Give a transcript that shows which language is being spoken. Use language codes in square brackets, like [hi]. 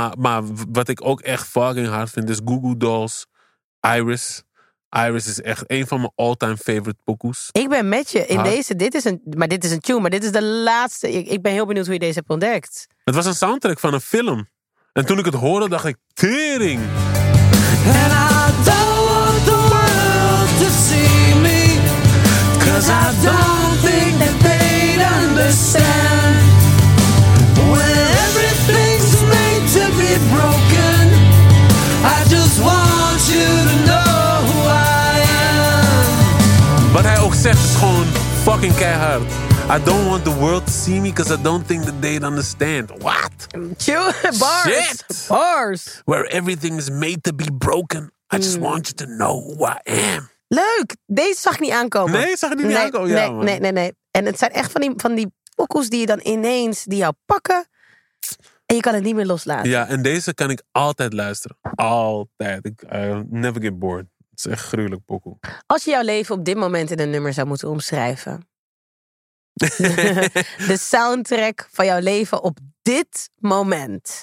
[nl] Maar wat ik ook echt fucking hard vind is Goo Goo Dolls, Iris. Iris is echt een van mijn all-time favorite pokoes. Ik ben met je in deze. Dit is een tune, maar dit is de laatste. Ik ben heel benieuwd hoe je deze hebt ontdekt. Het was een soundtrack van een film. En toen ik het hoorde, dacht ik, tering! [en] And I don't want the world to see me. Cause I don't think that they'd understand. When everything's made to be broken, I just want you to know. [nl] Wat hij ook zegt is gewoon fucking keihard. [en] I don't want the world to see me because I don't think that they'd understand. What? Bars. Shit. Bars. Where everything is made to be broken. I just want you to know who I am. [nl] Leuk. Deze zag ik niet aankomen. Nee, zag ik niet aankomen. Ja, nee, man. Nee. En het zijn echt van die pokoes die je dan ineens die jou pakken. En je kan het niet meer loslaten. Ja, en deze kan ik altijd luisteren. Altijd. [en] I'll never get bored. [nl] Het is echt gruwelijk pokoe. Als je jouw leven op dit moment in een nummer zou moeten omschrijven. De soundtrack van jouw leven op dit moment.